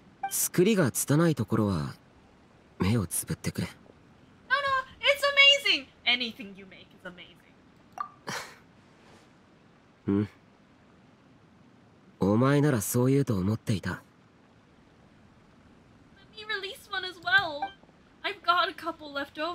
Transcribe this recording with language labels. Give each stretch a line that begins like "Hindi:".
Japanese: 作りが拙いところは目をつぶってくれ。
English: No, no, it's amazing. Anything you make is amazing.
Japanese: うん。お前ならそう言うと思っていた。
English: Let me release one as well. I've got a couple left over.